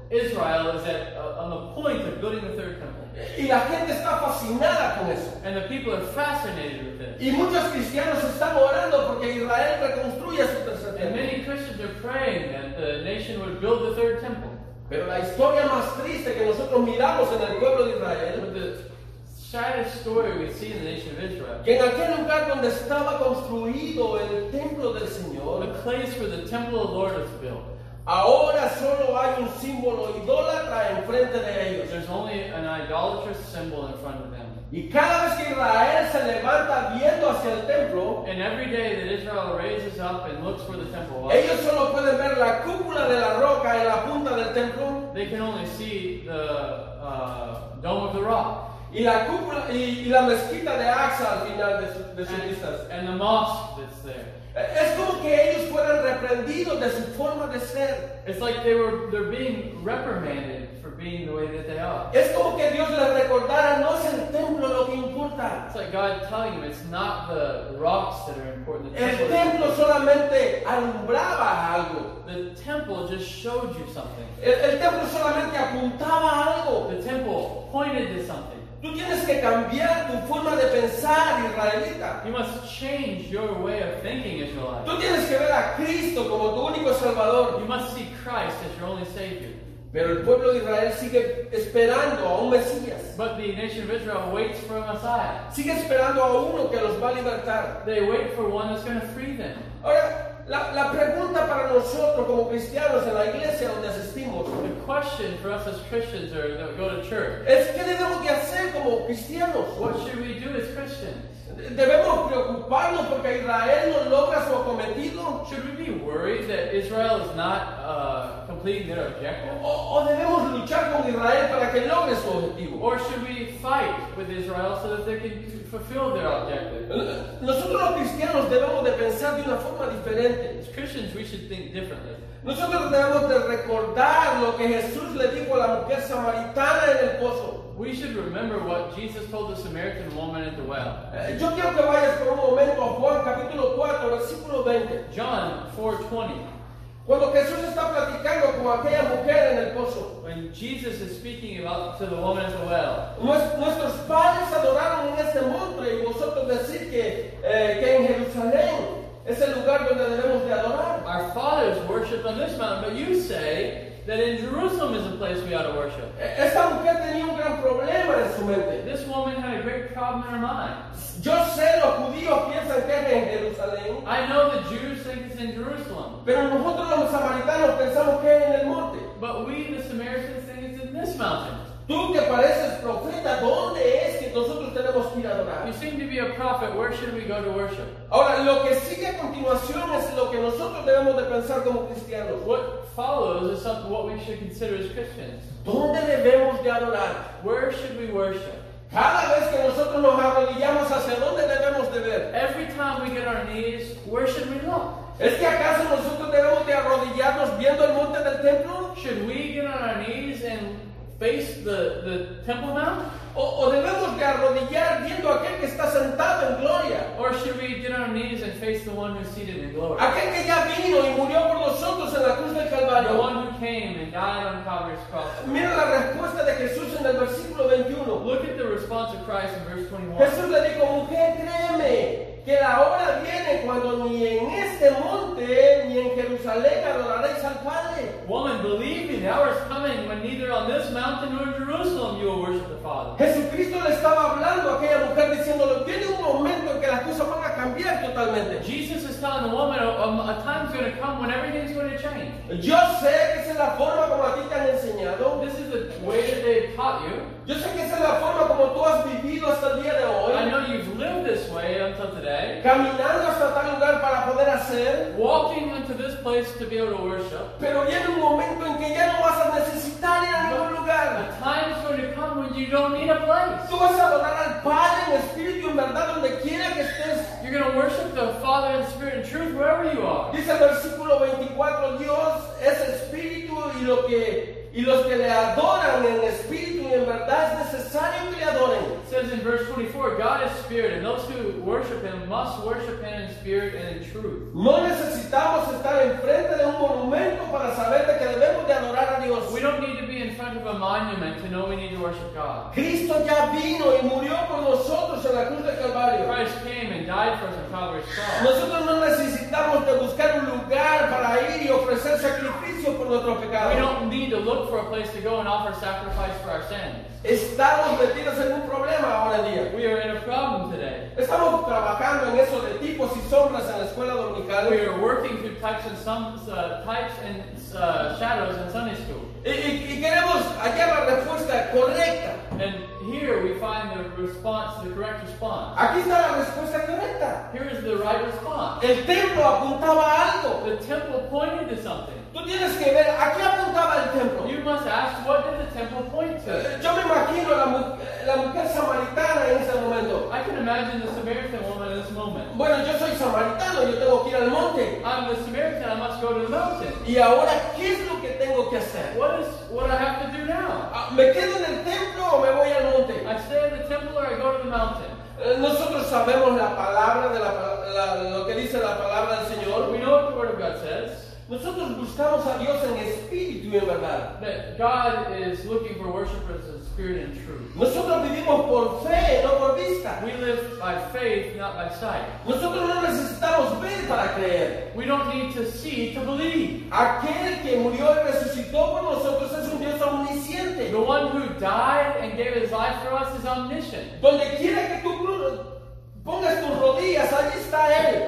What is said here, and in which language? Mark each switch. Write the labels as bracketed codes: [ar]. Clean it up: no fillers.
[en] Israel is at on the point of building the third temple. [es] Y la gente está fascinada con eso. [en] And the people are fascinated with it. [es] Y muchos cristianos están orando porque Israel reconstruya su tercer templo. [en] And many Christians are praying that the nation would build the third temple. [es] Pero la historia más triste que nosotros miramos en el pueblo de Israel, [en] the saddest story we see in the nation of Israel, [es] que en aquel lugar donde estaba construido el templo del Señor, [en] the place where the temple of the Lord was built, [es] ahora solo hay un símbolo idólatra en frente de ellos. [en] There's only an idolatrous symbol in front of them. [es] Y cada vez que Israel se levanta viendo hacia el templo, [en] and every day that Israel raises up and looks for the temple, [es] well, ellos solo pueden ver la cúpula de la roca y la punta del templo. [en] They can only see the dome of the rock. [es] Y la cúpula y la mezquita de Aqsa al final de sus vistas. [en] And the mosque that's there. [es] Es como que ellos fueran reprendidos de su forma de ser. [en] It's like they're being reprimanded for being the way that they are. [es] Es como que Dios les recordara, no es el templo lo que importa. [en] It's like God telling them, it's not the rocks that are important. [es] El templo solamente alumbraba algo. [en] The temple just showed you something. [es] El templo solamente apuntaba algo. [en] The temple pointed to something. [es] Tú tienes que cambiar tu forma de pensar, israelita. [en] You must change your way of thinking, Israelite. [es] Tú tienes que ver a Cristo como tu único salvador. [en] You must see Christ as your only savior. [es] Pero el pueblo de Israel sigue esperando a un Mesías. [en] But the nation of Israel waits for a Messiah. [es] Sigue esperando a uno que los va a libertar. [en] They wait for one that's going to free them. [es] Ahora, la pregunta para nosotros como cristianos en la iglesia donde asistimos, [en] the question for us as Christians or that we go to church, [es] es qué debemos de hacer como cristianos. [en] What should we do as Christians? [es] ¿Debemos preocuparnos porque Israel no logra su cometido? [en] Should we be worried that Israel is not completing their objective? [es] ¿O debemos luchar con Israel para que logre su objetivo? [en] Or should we fight with Israel so that they can fulfill their objective? [es] Nosotros los cristianos debemos de pensar de una forma diferente. [en] As Christians, we should think differently. [es] Nosotros debemos de recordar lo que Jesús le dijo a la mujer samaritana en el pozo. [en] We should remember what Jesus told the Samaritan woman at the well. [es] Yo quiero que vayas por un momento a Juan capítulo 4, versículo 20. [en] John 4:20. [es] Cuando Jesús está platicando con aquella mujer en el pozo. [en] When Jesus is speaking about to the woman at the well. [es] Nuestros padres adoraron en este monte y vosotros decís que en Jerusalén es el lugar donde debemos de adorar. [en] Our fathers worshiped on this mountain, but you say that in Jerusalem is a place we ought to worship. [es] Esta mujer tenía un gran problema en su mente. [en] This woman had a great problem in her mind. [es] Yo sé los judíos piensan que es en Jerusalén. [en] I know the Jews think it's in Jerusalem. [es] Pero nosotros los samaritanos pensamos que es en el monte. [en] But we, the Samaritans, think it's in this mountain. [es] Tú que pareces profeta, ¿dónde es que nosotros tenemos que ir a adorar? [en] You seem to be a prophet, where should we go to worship? [es] Ahora, lo que sigue a continuación es lo que nosotros debemos de pensar como cristianos. [en] What follows is something what we should consider as Christians. [es] ¿Dónde debemos de adorar? [en] Where should we worship? [es] Cada vez que nosotros nos arrodillamos, ¿hacia dónde debemos de ver? [en] Every time we get on our knees, where should we look? [es] ¿Es que acaso nosotros debemos de arrodillarnos viendo el monte del templo? [en] Should we get on our knees and face the temple mount? [es] O debemos de arrodillar viendo a aquel que está sentado en gloria. [en] Or should we get on our knees and face the one who's seated in glory? [es] Aquel que ya vino y murió por nosotros en la cruz del Calvario. [en] The one who came and died on Calvary's cross. [es] Mira la respuesta de Jesús en el versículo 21. [en] Look at the response of Christ in verse 21. [es] Jesús le dijo, mujer, créeme, que la hora viene cuando ni en este monte ni en Jerusalén adoraréis al Padre. [en] Woman, believe me, the hour is coming when neither on this mountain nor in Jerusalem you will worship the Father. [es] Jesucristo le estaba hablando a aquella mujer diciéndole, tiene un momento en que las cosas van a cambiar totalmente. [en] Jesus is telling the woman, a time's going to come when everything's going to change. [es] Yo sé que esa es la forma como a ti te han enseñado. [en] This is the way that they taught you. [es] Yo sé que esa es la forma como tú has vivido hasta el día de hoy. [en] I know you've lived this way until today. [es] Caminando hasta tal lugar para poder hacer. [en] Walking into this place to be able to worship. [es] Pero viene un momento en que ya no vas a necesitar ir a ningún lugar. [en] A time is going to come when you don't need a place. [es] Tú vas a adorar al Padre en espíritu en verdad donde quiera que estés. [en] You're going to worship the Father in spirit and truth wherever you are. [es] Dice el versículo 24, Dios es espíritu y los que le adoran en espíritu quien en verdad es necesario que le adoren. [en] It says in verse 24, God is spirit, and those who worship him must worship him in spirit and in truth. [es] No necesitamos estar enfrente de un monumento para saber de que debemos de adorar a Dios. [en] We don't need to be in front of a monument to know we need to worship God. [es] Cristo ya vino y murió por nosotros en la cruz del Calvario. [en] Christ came and died for us on Calvary's cross. [es] Nosotros no necesitamos de buscar un lugar para ir y ofrecer sacrificio por nuestro pecado. [en] We don't need to look for a place to go and offer sacrifice for our sins. [es] Estamos metidos en un problema ahora en día. [en] We are in a problem today. [es] Estamos trabajando en eso de tipos y sombras en la escuela dominical. [en] We are working through types and some types and shadows in Sunday school. [es] Y queremos hallar la respuesta correcta. [en] And here we find the response, the correct response. [es] Aquí está la respuesta correcta. [en] Here is the right response. [es] El templo apuntaba algo. [en] The temple pointed to something. [es] Tú tienes que ver a qué apuntaba el templo. [en] You must ask, what did the temple point to? [es] Yo me imagino la mujer samaritana en ese momento. [en] I can imagine the Samaritan woman in this moment. [es] Bueno, yo soy samaritano, yo tengo que ir al monte. [en] I'm the Samaritan, I must go to the mountain. [es] Y ahora, ¿qué es lo que tengo que hacer? [en] What I have to do now? [es] ¿Me quedo en el templo o me voy al monte? [en] I stay in the temple or I go to the mountain. [es] Nosotros sabemos la palabra de lo que dice la palabra del Señor. [en] We know what the word of God says. [es] Nosotros buscamos a Dios en espíritu y en verdad. [en] That God is looking for worshipers in spirit and truth. [es] Nosotros vivimos por fe, no por vista. [en] We live by faith, not by sight. [es] Nosotros no necesitamos ver para creer. [en] We don't need to see to believe. [es] Aquel que murió y resucitó por nosotros es un Dios omnisciente. [en] The one who died and gave his life for us is omniscient. [es] Donde quiera que tú cruces. Pongas tus rodillas, allí está él.